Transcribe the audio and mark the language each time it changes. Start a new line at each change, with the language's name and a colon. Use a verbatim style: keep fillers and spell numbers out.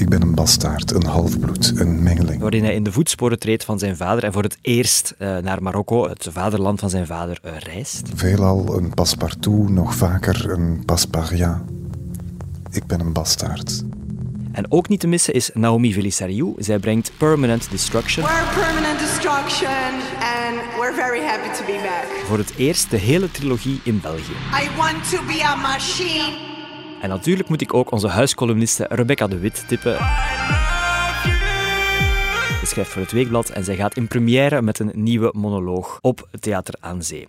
Dutch: Ik ben een bastaard, een halfbloed, een mengeling. Waarin hij in de voetsporen treedt van zijn vader en voor het eerst uh, naar Marokko, het vaderland van zijn vader, uh, reist. Veelal een passepartout, nog vaker een passeparia. Ik ben een bastaard. En ook niet te missen is Naomi Velisariou. Zij brengt Permanent Destruction.
English: We're Permanent Destruction and we're very happy to be back.
Dutch: Voor het eerst de hele trilogie in België.
English: I want to be a machine.
Dutch: En natuurlijk moet ik ook onze huiscolumniste Rebecca de Wit tippen. Ze schrijft voor het Weekblad en zij gaat in première met een nieuwe monoloog op Theater aan Zee.